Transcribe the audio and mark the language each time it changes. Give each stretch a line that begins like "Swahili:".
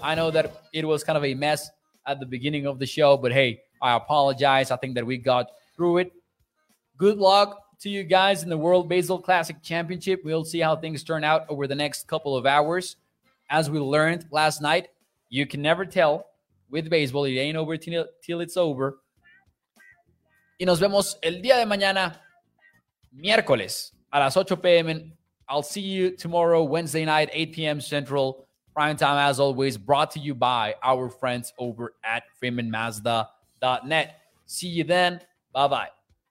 English: I know that it was kind of a mess at the beginning of the show, but hey, I apologize. I think that we got through it. Good luck to you guys in the World Baseball Classic Championship. We'll see how things turn out over the next couple of hours. As we learned last night, you can never tell with baseball. It ain't over till it's over.
Spanish: Y nos vemos el día de mañana, miércoles, a las 8 p.m.
English: I'll see you tomorrow, Wednesday night, 8 p.m. Central. Prime time, as always, brought to you by our friends over at FreemanMazda.net. See you then. Bye-bye.